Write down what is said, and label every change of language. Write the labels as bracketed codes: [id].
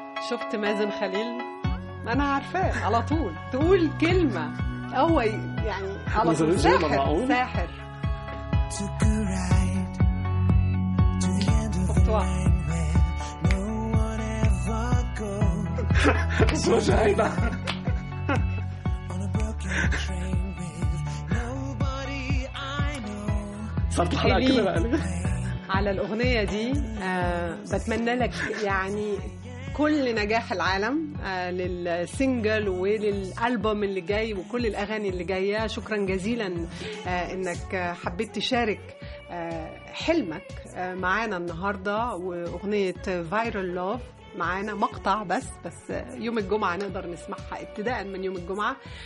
[ar] شفت مازن خليل؟ أنا عارفاه على طول، تقول كلمة هو يعني على طول ساحر، ساحر. [en] Took a ride to the end of the line where no one ever goes. So shaina on a broken train with nobody I know. [ar] صرت حلقة كبيرة على الأغنية دي. بتمنى لك يعني كل نجاح العالم للسينجل وللألبوم اللي جاي وكل الأغاني اللي جاية. شكرا جزيلا إنك حبيت تشارك حلمك معانا النهاردة، وأغنية Viral Love معانا مقطع بس يوم الجمعة نقدر نسمعها ابتداء من يوم الجمعة.